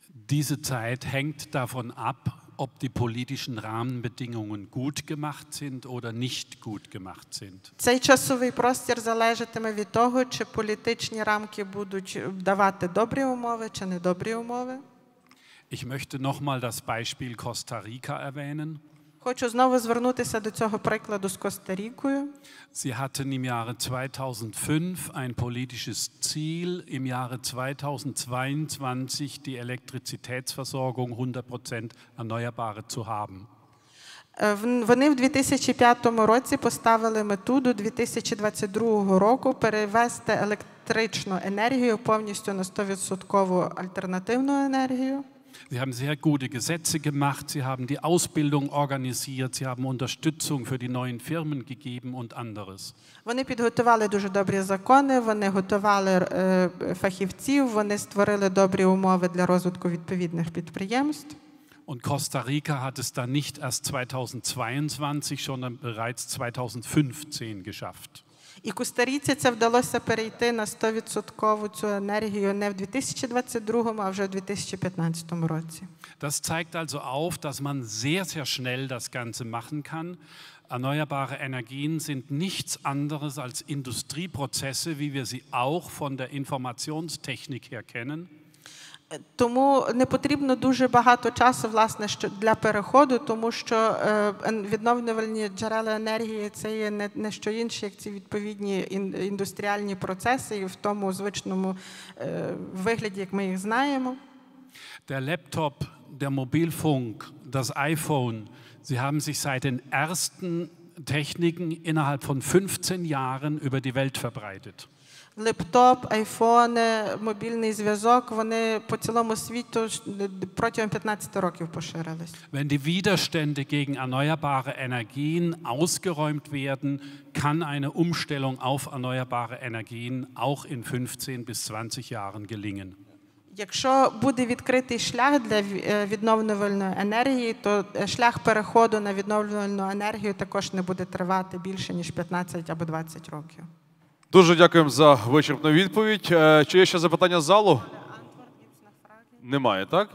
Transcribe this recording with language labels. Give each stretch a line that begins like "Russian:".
German: Diese Zeit hängt davon ab, ob die politischen Rahmenbedingungen gut gemacht sind oder nicht gut gemacht sind.
Ukrainian: Цей часовий простір залежатиме від того, чи політичні рамки будуть давати добрі умови чи недобрі умови.
German: Ich möchte noch mal das Beispiel Costa Rica erwähnen.
Ukrainian: Хочу знову звернутися до цього прикладу з Коста-Рікою.
German: Sie hatten im Jahre 2005 ein politisches Ziel, im Jahre 2022 die Elektrizitätsversorgung 100% erneuerbare zu haben.
Ukrainian: Вони в 2005 році поставили мету до 2022 року перевести електричну енергію повністю на 100% альтернативну енергію.
German: Sie haben sehr gute Gesetze gemacht, Sie haben die Ausbildung organisiert, Sie haben Unterstützung für die neuen Firmen gegeben und anderes.
Ukrainian: Вони підготували дуже добрі закони, вони готували фахівців, вони створили добрі умови для розвитку відповідних підприємств.
German: Und Costa Rica hat es dann nicht erst 2022, sondern bereits 2015 geschafft.
Ukrainian: І Костаріці це вдалося перейти на 100% цю енергію не в 2022, а вже в 2015 році.
German: Das zeigt also auf, dass man sehr, sehr schnell das Ganze machen kann. Erneuerbare Energien sind nichts anderes als Industrieprozesse, wie wir sie auch von der Informationstechnik her kennen.
Ukrainian: Тому не потрібно дуже багато часу, власне, для переходу, тому що відновлювальні джерела енергії – це є не що інше, як ці відповідні індустріальні процеси в тому звичному вигляді, як ми їх знаємо.
German: Der Laptop, der Mobilfunk, das iPhone – sie haben sich seit den ersten Techniken innerhalb von 15 Jahren über die Welt verbreitet.
Ukrainian: Лептоп, айфони, мобільний зв'язок, вони по цілому світу протягом 15 років поширились.
German: Wenn die Widerstände gegen erneuerbare Energien ausgeräumt werden, kann eine Umstellung auf erneuerbare Energien auch in 15 bis 20 Jahren gelingen.
Ukrainian: Якщо буде відкритий шлях для відновлювальної енергії, то шлях переходу на відновлювальну енергію також не буде тривати більше, ніж 15 або 20 років. Дуже дякуємо за вичерпну відповідь. Чи є ще запитання з залу? Немає, так?